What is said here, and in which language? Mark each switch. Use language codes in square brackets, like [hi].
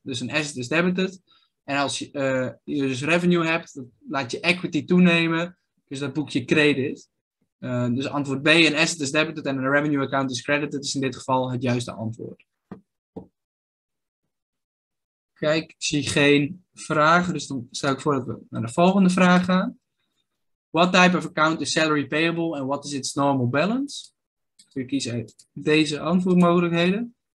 [nl] Dus een asset is debited. En als je dus revenue hebt, dan laat je equity toenemen. Dus dat boek je credit. Dus antwoord B, een asset is debited en een revenue account is credited, is in dit geval het juiste antwoord. Kijk, ik zie geen vragen, dus dan stel ik voor dat we naar de volgende vraag gaan. [en] What type of account is salary payable and what is its normal balance? [nl] Dus ik kies uit deze antwoordmogelijkheden.